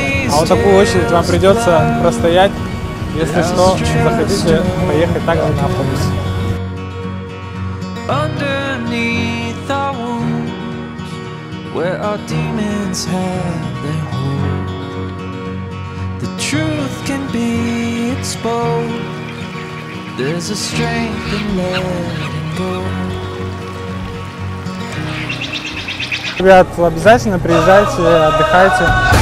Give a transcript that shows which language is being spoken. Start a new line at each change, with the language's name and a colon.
Russian: А вот такую очередь вам придется простоять, если что, захотите поехать также на автобусе.
English: Underneath our wounds, where our demons have their hold, the truth can be exposed. There's a strength in letting go.
Russian: Ребят, обязательно приезжайте, отдыхайте.